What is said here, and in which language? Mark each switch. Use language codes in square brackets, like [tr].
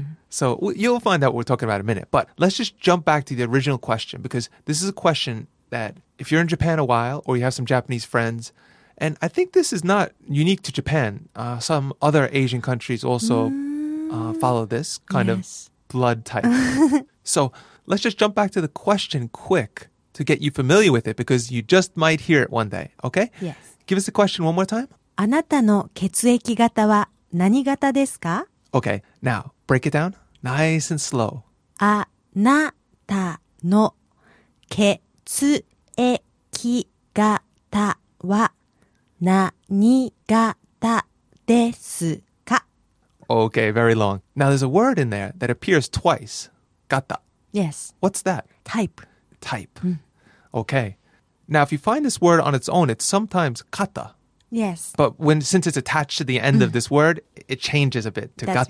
[en] So you'll find out what we're talking about in a minute. But let's just jump back to the original question, because this is a question that if you're in Japan a while or you have some Japanese friends, and I think this is not unique to Japan. Some other Asian countries also follow this kind of blood type. So let's just jump back to the question quick to get you familiar with it, because you just might hear it one day. Okay? Yes. Give us the question one more time. [ja] あなたの血液型は何型ですか? [en] Okay, now break it down nice and slow. [ja] あなたの血液型は何型ですか? [en] Okay, very long. Now there's a word in there that appears twice. [ja] Gata. [en] Yes. What's that? Type. Type. Okay. Now if you find this word on its own, it's sometimes kata. Yes. But since it's attached to the end of this word, it changes a bit to [ja] gata. [en] That's